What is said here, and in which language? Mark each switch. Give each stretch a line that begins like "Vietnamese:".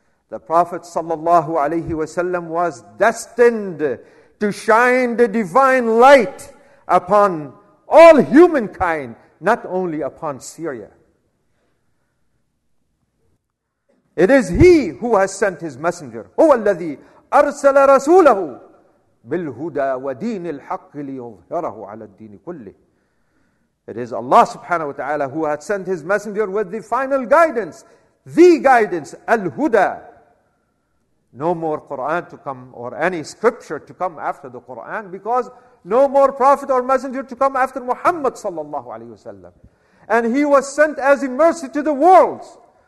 English: The Prophet sallallahu alayhi wasallam was destined to shine the divine light upon all humankind, not only upon Syria. It is he who has sent his messenger.
Arabic: هو الذي أرسل رسوله بالهدى ودين الحق ليظهره على الدين كله.
English: It is Allah subhanahu wa ta'ala who has sent his messenger with the final guidance, the guidance, الهدى. No more Quran to come or any scripture to come after the Quran, because no more prophet or messenger to come after Muhammad sallallahu alayhi wasallam. And he was sent as a mercy to the worlds.